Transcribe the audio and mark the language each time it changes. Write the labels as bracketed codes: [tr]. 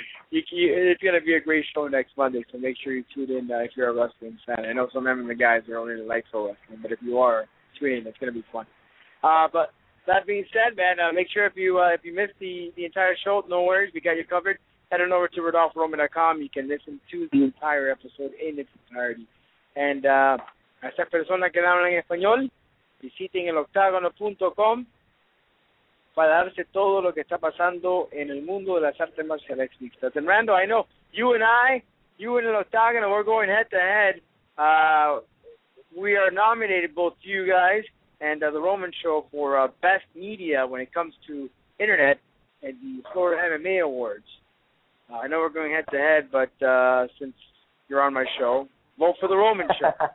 [en] It's going to be a great show next Monday, so make sure you tune in if you're a wrestling fan. I know some of the guys are only like for wrestling, but if you are, tune in. It's going to be fun. But that being said, man, make sure if you missed the entire show, no worries. We got you covered. Head on over to RodolphRoman.com. You can listen to the entire episode in its entirety. [es] And esa persona que habla en español, visiten eloctagono.com. Para darse todo lo que está pasando en el mundo de las artes marciales mixtas. [en] And Rando, I know you and El Octagono, we're going head to head. We are nominated, both you guys and the Roman Show, for best media when it comes to internet and the Florida MMA Awards. I know we're going head to head, but since you're on my show, vote for the Roman Show.